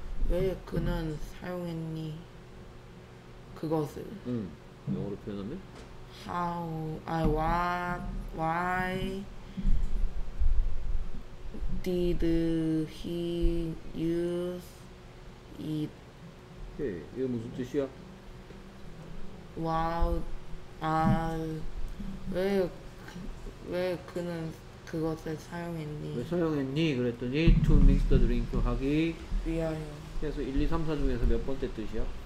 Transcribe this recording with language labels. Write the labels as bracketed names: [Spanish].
[Korean] 왜 그는 사용했니 그것을 응 영어로 표현하면 [English] How I what why Did he use it? [Korean] 오케이, 이게 무슨 뜻이야? 와우, 아, 왜 그는 그것을 사용했니? 왜 사용했니? 그랬더니 [English] To mix the drink [Korean] 하기 위하여 그래서 1, 2, 3, 4 중에서 몇 번째 뜻이야?